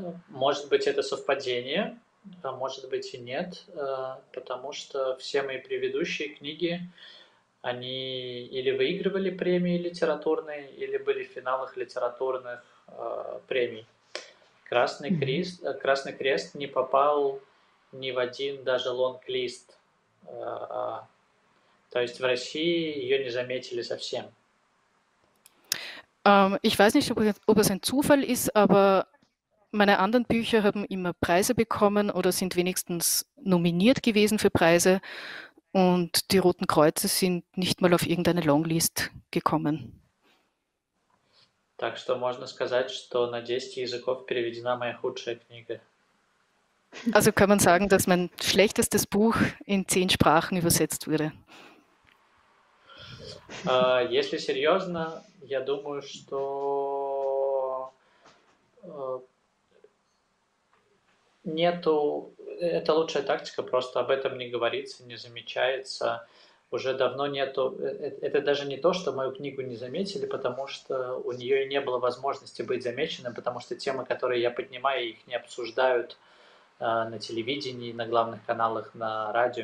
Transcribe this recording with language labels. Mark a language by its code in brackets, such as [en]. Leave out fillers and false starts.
[ru] Может быть, это совпадение, а может быть и нет, потому что все мои предыдущие книги, они или выигрывали премии литературные, или были в финалах литературных премий. Красный крест не попал ни в один даже лонг-лист. То есть в России ее не заметили совсем. [de] Ich weiß nicht, ob es ein Zufall ist, aber meine anderen Bücher haben immer Preise bekommen oder sind wenigstens nominiert gewesen für Preise und die Roten Kreuze sind nicht mal auf irgendeine Longlist gekommen. [ru] Так что можно сказать, что на 10 языков переведена моя худшая книга. [de] Also kann man sagen, dass mein schlechtestes Buch in 10 Sprachen übersetzt wurde. [ru] Если серьезно, я думаю, что Нету, это лучшая тактика, просто об этом не говорится, не замечается. Уже давно нету, это даже не то, что мою книгу не заметили, потому что у нее и не было возможности быть замеченным, потому что темы, которые я поднимаю, их не обсуждают на телевидении, на главных каналах, на радио.